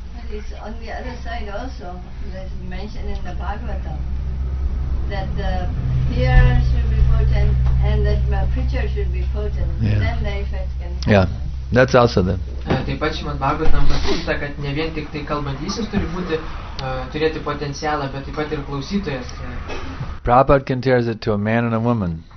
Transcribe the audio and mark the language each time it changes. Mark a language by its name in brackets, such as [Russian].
[English] It's on the other side also, that is mentioned in the Bhagavatam, that the hearer should be potent and that the preacher should be potent. Yeah. Then the effect can happen. Yeah. That's also the. [Lithuanian] Taip pat šiandien Bhagavatam pasakyta, kad ne vien tik tai kalbantysis turi būti turėti potencialą, bet taip pat ir klausytojas. [English] Prabhupada compares it to a man and a woman.